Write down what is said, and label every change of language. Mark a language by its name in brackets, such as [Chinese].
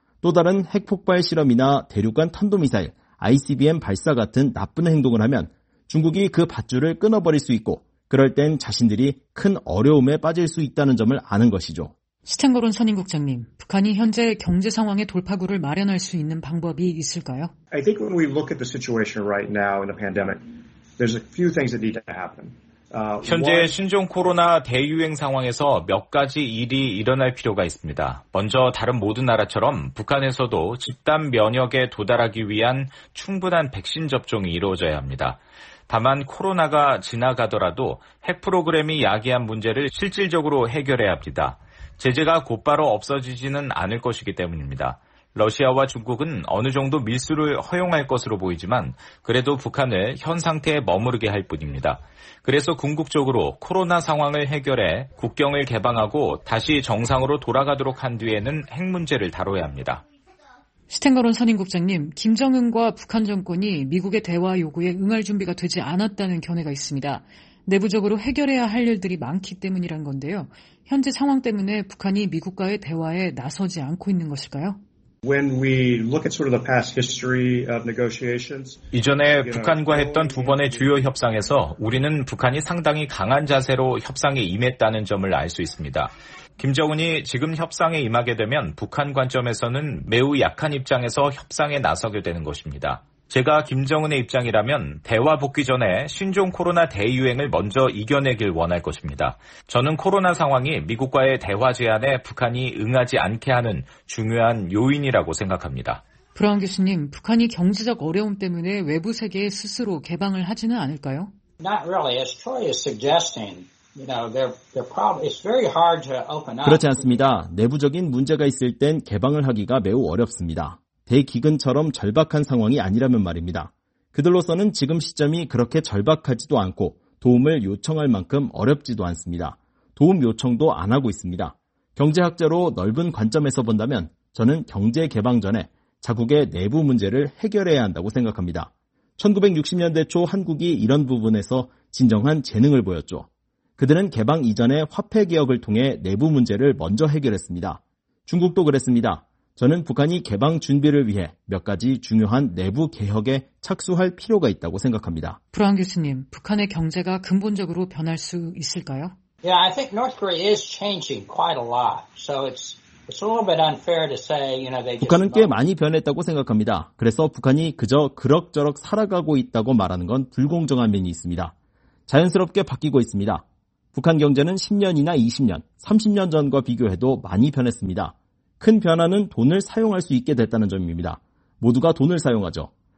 [Korean] 또 다른 핵폭발 실험이나 대륙간 탄도미사일, ICBM 발사 같은 나쁜 행동을 하면 중국이 그 밧줄을 끊어버릴 수 있고 그럴 땐 자신들이 큰 어려움에 빠질 수 있다는 점을 아는 것이죠. 스탠거런 선임 국장님, 북한이 현재 경제 상황의 돌파구를 마련할 수 있는 방법이 있을까요? [English] I think when we look at the situation right now in the pandemic, there's a few things that need to happen. [Korean] 현재 신종 코로나 대유행 상황에서 몇 가지 일이 일어날 필요가 있습니다. 먼저 다른 모든 나라처럼 북한에서도 집단 면역에 도달하기 위한 충분한 백신 접종이 이루어져야 합니다. 다만 코로나가 지나가더라도 핵 프로그램이 야기한 문제를 실질적으로 해결해야 합니다. 제재가 곧바로 없어지지는 않을 것이기 때문입니다. 러시아와 중국은 어느 정도 밀수를 허용할 것으로 보이지만 그래도 북한을 현 상태에 머무르게 할 뿐입니다. 그래서 궁극적으로 코로나 상황을 해결해 국경을 개방하고 다시 정상으로 돌아가도록 한 뒤에는 핵 문제를 다뤄야 합니다. 스탠거런 선임 국장님, 김정은과 북한 정권이 미국의 대화 요구에 응할 준비가 되지 않았다는 견해가 있습니다. 내부적으로 해결해야 할 일들이 많기 때문이란 건데요. 현재 상황 때문에 북한이 미국과의 대화에 나서지 않고 있는 것일까요? [English] When we look at sort of the past history of negotiations, [Korean] 이전에 북한과 했던 두 번의 주요 협상에서 우리는 북한이 상당히 강한 자세로 협상에 임했다는 점을 알 수 있습니다. 김정은이 지금 협상에 임하게 되면 북한 관점에서는 매우 약한 입장에서 협상에 나서게 되는 것입니다. 제가 김정은의 입장이라면 대화 복귀 전에 신종 코로나 대유행을 먼저 이겨내길 원할 것입니다. 저는 코로나 상황이 미국과의 대화 제안에 북한이 응하지 않게 하는 중요한 요인이라고 생각합니다. 브라운 교수님, 북한이 경제적 어려움 때문에 외부 세계에 스스로 개방을 하지는 않을까요? [English] Not really. As Troy is suggesting, you know, they're probably it's very hard to open up. [Korean] 그렇지 않습니다. 내부적인 문제가 있을 땐 개방을 하기가 매우 어렵습니다. 대기근처럼 절박한 상황이 아니라면 말입니다. 그들로서는 지금 시점이 그렇게 절박하지도 않고 도움을 요청할 만큼 어렵지도 않습니다. 도움 요청도 안 하고 있습니다. 경제학자로 넓은 관점에서 본다면 저는 경제 개방 전에 자국의 내부 문제를 해결해야 한다고 생각합니다. 1960년대 초 한국이 이런 부분에서 진정한 재능을 보였죠. 그들은 개방 이전에 화폐 개혁을 통해 내부 문제를 먼저 해결했습니다. 중국도 그랬습니다. 저는 북한이 개방 준비를 위해 몇 가지 중요한 내부 개혁에 착수할 필요가 있다고 생각합니다. 브라운 교수님, 북한의 경제가 근본적으로 변할 수 있을까요? [English] Yeah, I think North Korea is changing quite a lot. So it's a little bit unfair to say, you know, they just [Korean] 북한은 꽤 많이 변했다고 생각합니다. 그래서 북한이 그저 그럭저럭 살아가고 있다고 말하는 건 불공정한 면이 있습니다. 자연스럽게 바뀌고 있습니다. 북한 경제는 10년이나 20년, 30년 전과 비교해도 많이 변했습니다. 큰 변화는 돈을 사용할 수 있게 됐다는 점입니다. 모두가 돈을 사용하죠.